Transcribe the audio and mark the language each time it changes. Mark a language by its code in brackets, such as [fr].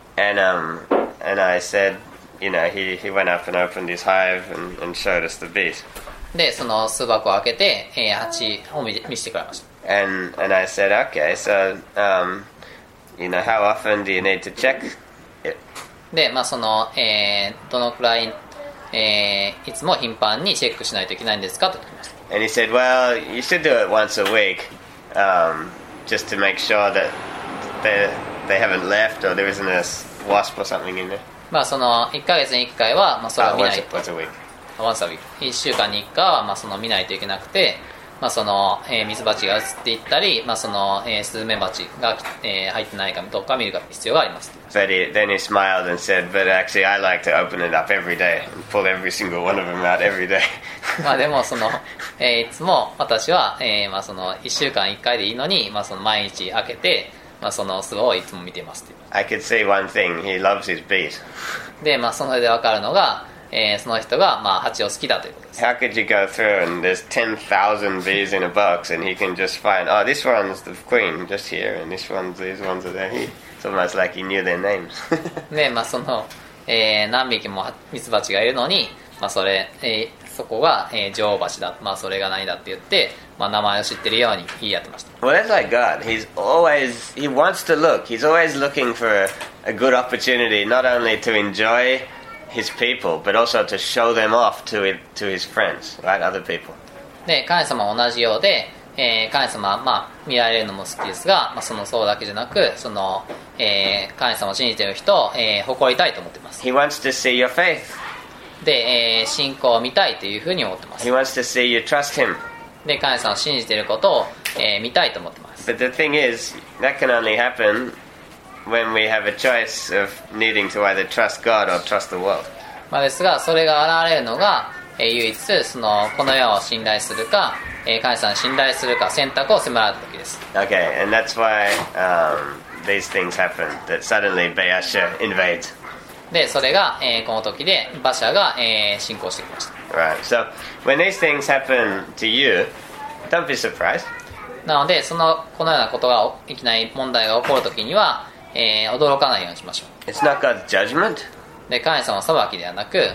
[en] And I said, you know, he went up and opened his hive and showed us the bees. [ja] で、その巣箱を開けて、蜂を見せてくれました。 [en] And I said, okay, so you know, how often do you need to check it? [ja] で、まあ、その、どのくらい、いつも頻繁にチェックしないといけないんですかと聞きました。 [en] And he said, well, you should do it once a week, just to make sure that they haven't left or there isn't a wasp or something in there. [ja] まあ、その、1ヶ月に1回は、まあ、それを見ないと。 [en] Once a week. Once a week. [ja] 1週間に1回は、まあ、その見ないといけなくて、まあ、その、ミツバチが移っていったり、まあ、その、スズメバチが、入ってないかどうか見る必要があります。 [en] But then he smiled and said, but actually I like to open it up every day and pull every single one of them out every day. [ja] まあでもその、いつも私は、まあ、その1週間1回でいいのに、まあ、その毎日開けて、まあ、その巣をいつも見ていますって [en] 。 I could see one thing, he loves his bees. [ja] で、まあ、それで分かるのが、その人が、まあ、蜂を好きだということです。 [en] How could you go through and there's 10,000 bees in a box and he can just find, oh, this one's the queen just here and this one's, these ones are there. It's almost like he knew their names. [ja] ね、まあ、その、何匹もミツバチがいるのに、まあ、それ、そこが、女王蜂だ、まあ、それが何だって言って、まあ、名前を知ってるように言い合ってました。 [en] Well, that's like God. He's always, he wants to look. He's always looking for a good opportunity, not only to enjoy His people, but also to show them off to his friends, right? Other people. [ja] で、神様は同じようで、神様はまあ見られるのも好きですが、まあそのそうだけじゃなく、その、神様を信じている人を、誇りたいと思っています。 [en] He wants to see your faith. [ja] で、信仰を見たいというふうに思っています。 [en] He wants to see you trust him. [ja] で、神様を信じていることを、見たいと思っています。 [en] But the thing is, that can only happen. When we have a choice of needing to either trust God or trust the world. [ja] まあですが、それが現れるのが、唯一そのこの世を信頼するか、神様を信頼するか選択を迫られた時です。 [en] Okay, and that's why these things happen. That suddenly Baasha invades. [ja] で、それが、この時で馬車が、進行してきました。 [en] Right. So when these things happen to you, don't be surprised. [ja] なので、そのこのようなことがいきなり問題が起こる時には。驚かないようにしましょう。 [en] It's not God's judgment. [ja] で、神様の裁きではなく、